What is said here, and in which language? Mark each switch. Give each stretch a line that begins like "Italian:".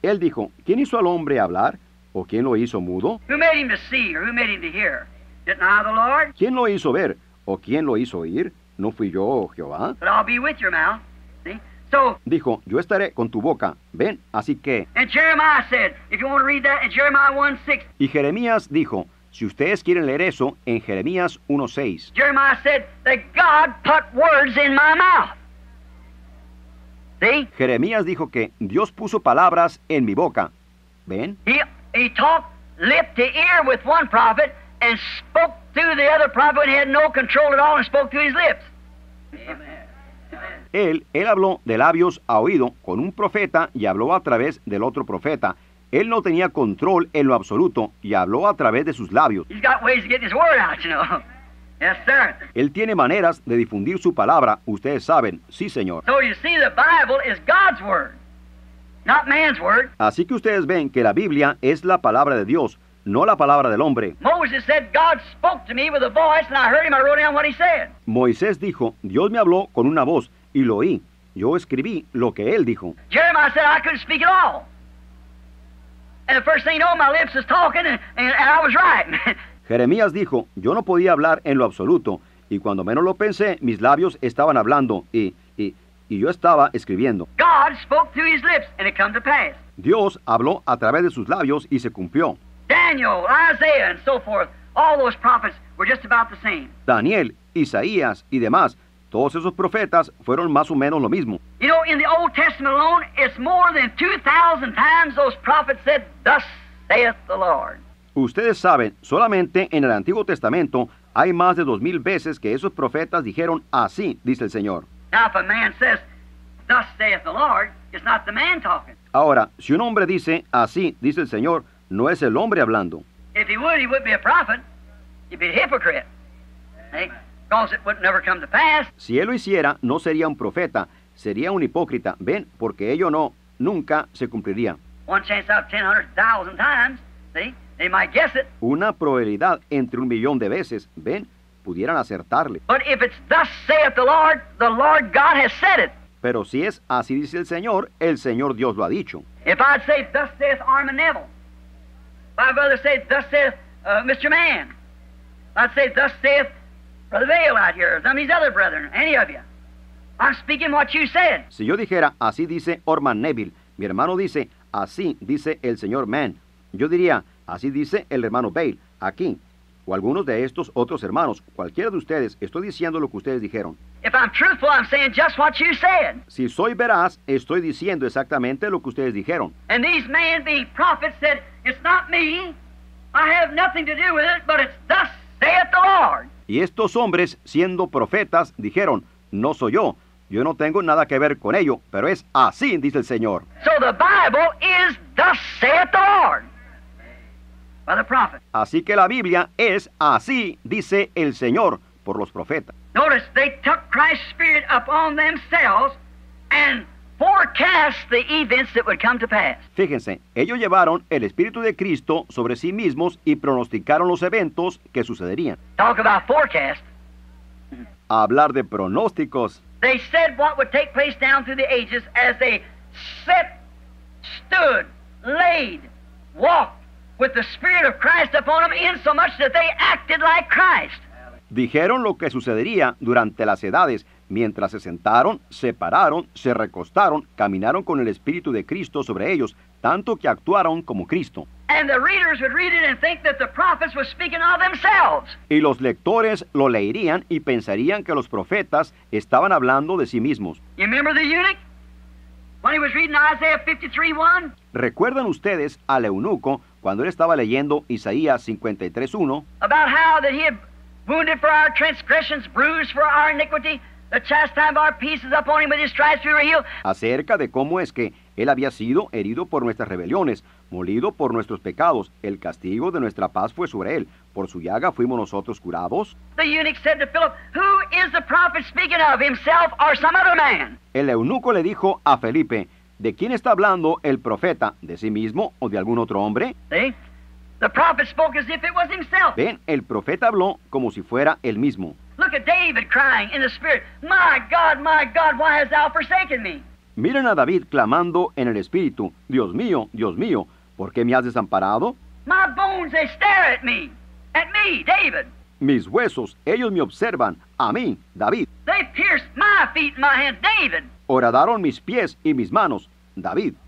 Spanish: Él dijo, ¿quién hizo al hombre hablar, o quién lo hizo mudo?
English: Who made him to see, or who made him to hear? Didn't I, the Lord?
Spanish: ¿Quién lo hizo ver, o quién lo hizo oír? ¿No fui yo, Jehová?
English: But I'll be with your mouth, see? So,
Spanish: dijo, yo estaré con tu boca, ven, así que.
English: And Jeremiah said, if you want to read that, in Jeremiah 1:6.
Spanish: Y Jeremías dijo, si ustedes quieren leer eso, en Jeremías 1:6.
English: Jeremiah said that God put words in my mouth.
Spanish: ¿Sí? Jeremías dijo que Dios puso palabras en mi boca. ¿Ven?
English: He talked lip to ear with one prophet and spoke through the other prophet and had no control at all and spoke through his lips.
Spanish: Él habló de labios a oído con un profeta y habló a través del otro profeta. Él no tenía control en lo absoluto y habló a través de sus labios.
English: He's got ways to get his word out, you know. Yes, sir.
Spanish: Él tiene maneras de difundir su palabra, ustedes saben. Sí, señor.
English: So you see, the Bible is God's word, not man's word.
Spanish: Así que ustedes ven que la Biblia es la palabra de Dios, no la palabra del hombre.
English: Moses said, God spoke to me with a voice, and I heard him, I wrote down what he said.
Spanish: Moisés dijo, Dios me habló con una voz, y lo oí. Yo escribí lo que él dijo.
English: Jeremiah said, I couldn't speak at all. And the first thing you know, my lips is talking, and I was right.
Spanish: Jeremías dijo, yo no podía hablar en lo absoluto, y cuando menos lo pensé, mis labios estaban hablando, y yo estaba escribiendo.
English: God spoke through his lips, and it come to pass.
Spanish: Dios habló a través de sus labios, y se cumplió.
English: Daniel, Isaiah, and so forth, all those prophets were just about the same.
Spanish: Daniel, Isaías, y demás, todos esos profetas fueron más o menos lo mismo.
English: You know, in the Old Testament alone, it's more than 2,000 times those prophets said, thus saith the Lord.
Spanish: Ustedes saben, solamente en el Antiguo Testamento hay más de 2,000 veces que esos profetas dijeron, así dice el Señor.
English: Now, if a man says, thus saith the Lord, it's not the man talking.
Spanish: Ahora, si un hombre dice, así dice el Señor, no es el hombre hablando.
English: If he would, he would be a prophet. He'd be a hypocrite. Because it would never come to pass.
Spanish: Si él lo hiciera, no sería un profeta, sería un hipócrita. Ven, porque ello no, nunca se cumpliría.
English: One chance out of 100,000 times, see? They might guess it.
Spanish: Una probabilidad entre 1,000,000 de veces, ven, pudieran acertarle.
English: But if it's thus saith the Lord God has said it.
Spanish: Pero si es así dice el Señor Dios lo ha dicho.
English: If I'd say thus saith Armand Neville, my brother say thus saith Mr. Mann, I'd say thus saith Brother Vale out here, some of these other brethren, any of you. I'm speaking what you said.
Spanish: Si yo dijera así dice Armand Neville, mi hermano dice así dice el Señor Mann, yo diría, así dice el hermano Bale, aquí, o algunos de estos otros hermanos, cualquiera de ustedes, estoy diciendo lo que ustedes dijeron.
English: If I'm truthful, I'm saying just what you said.
Spanish: Si soy veraz, estoy diciendo exactamente lo que ustedes dijeron.
English: And these men, the prophets, said, it's not me, I have nothing to do with it, but it's thus saith the Lord.
Spanish: Y estos hombres, siendo profetas, dijeron, no soy yo. Yo no tengo nada que ver con ello, pero es así, dice el Señor.
English: So the Bible is thus saith the Lord. By the prophet.
Spanish: Así que la Biblia es así, dice el Señor, por los profetas.
English: Notice, they took Christ's spirit upon themselves and forecast the events that would come to pass.
Spanish: Fíjense, ellos llevaron el Espíritu de Cristo sobre sí mismos y pronosticaron los eventos que sucederían.
English: Talk about forecast.
Spanish: Hablar de pronósticos.
English: They said what would take place down through the ages as they sat, stood, laid, walked with the Spirit of Christ upon them in so much that they acted like Christ.
Spanish: Dijeron lo que sucedería durante las edades, mientras se sentaron, se pararon, se recostaron, caminaron con el Espíritu de Cristo sobre ellos, tanto que actuaron como Cristo.
English: And the readers would read it and think that the prophets were speaking of themselves.
Spanish: Y los lectores lo leerían y pensarían que los profetas estaban hablando de sí mismos.
English: You remember the eunuch? When he was reading Isaiah 53:1?
Spanish: ¿Recuerdan ustedes al eunuco cuando él estaba leyendo Isaías 53:1?
English: About how that he had wounded for our transgressions, bruised for our iniquity, the chastisement of our peace is upon him, with his stripes we were healed.
Spanish: Acerca de cómo es que él había sido herido por nuestras rebeliones, molido por nuestros pecados, el castigo de nuestra paz fue sobre él, por su llaga fuimos nosotros curados.
English: The eunuch said to Philip, who is the prophet speaking of, himself or some other man?
Spanish: El eunuco le dijo a Felipe, ¿de quién está hablando el profeta, de sí mismo o de algún otro hombre? ¿Sí?
English: The prophet spoke as if it was himself.
Spanish: Ven, el profeta habló como si fuera él mismo.
English: Look at David crying in the spirit, my God, why hast thou forsaken me?
Spanish: Miren a David clamando en el espíritu, Dios mío, ¿por qué me has desamparado?
English: My bones, they stare at me, David.
Spanish: Mis huesos, ellos me observan, a mí, David.
English: They pierced my feet and my hands, David.
Spanish: Horadaron mis pies y mis manos, David.